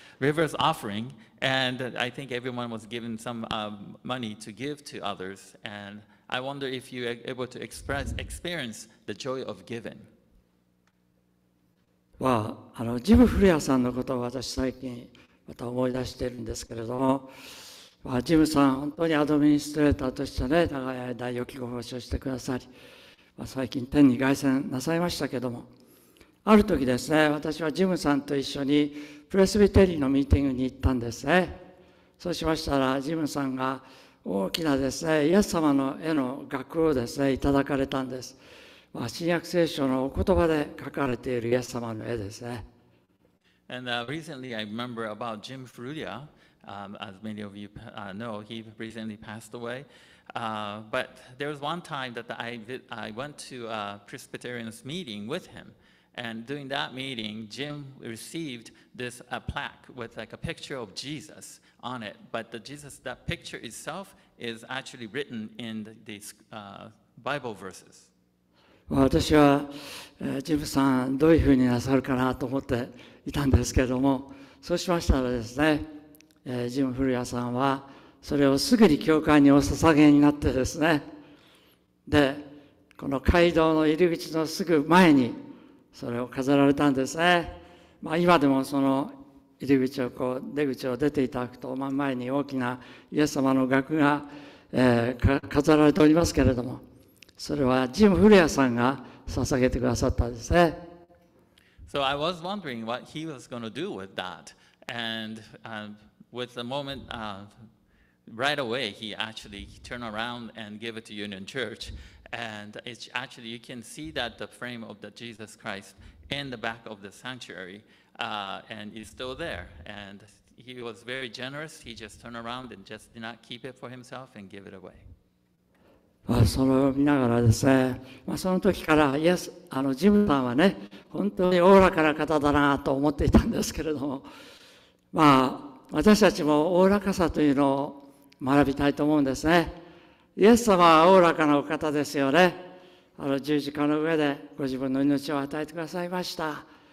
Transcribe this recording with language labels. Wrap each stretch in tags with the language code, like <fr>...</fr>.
<en>Reverse offering, and I think everyone was given some money to give to others. And I wonder if you are able to experience the joy of giving.</en> <ja>はあのジム・フレアさんのことを私最近また思い出しているんですけれども、まあ、ジムさん本当にアドミニストレーターとしてね長い間よきご奉仕をしてくださり、まあ、最近天に凱旋なさいましたけれども、ある時ですね、私はジムさんと一緒にプレスビテリーのミーティングに行ったんですね。そうしましたらジムさんが大きなですねイエス様の絵の額をですねいただかれたんです。新約聖書のお言葉で書かれているイエス様の絵ですね。</ja> <en>And recently I remember about Jim Frulia. As many of you know, he recently passed away. But there was one time that I went to a Presbyterian's meeting with him. And during that meeting, Jim received this a plaque with like a picture of Jesus on it. But the Jesus, that picture itself is actually written in the Bible verses.</en> <ja>私は、ジムさんどういうふうになさるかなと思っていたんですけれども、そうしましたらですね、ジム・フルヤさんはそれをすぐに教会にお捧げになってですね、でこの街道の入り口のすぐ前にそれを飾られたんですね。まあ、今でもその入り口をこう出口を出ていただくと真ん前に大きなイエス様の額が、飾られておりますけれども、それはジム・フレアさんが捧げてくださったんですね。</ja> <en>So I was wondering what he was going to do with that. And with the moment, right away, he actually turned around and gave it to Union Church. And it's actually, you can see that the frame of the Jesus Christ in the back of the sanctuary, and is still there. And he was very generous. He just turned around and just did not keep it for himself and gave it away.</en> <ja>それを見ながらですね、まあ、その時からイエス、あのジムさんはね本当におおらかな方だなと思っていたんですけれども、まあ、私たちもおおらかさというのを学びたいと思うんですね。イエス様はおおらかなお方ですよね。あの十字架の上でご自分の命を与えてくださいました。</ja>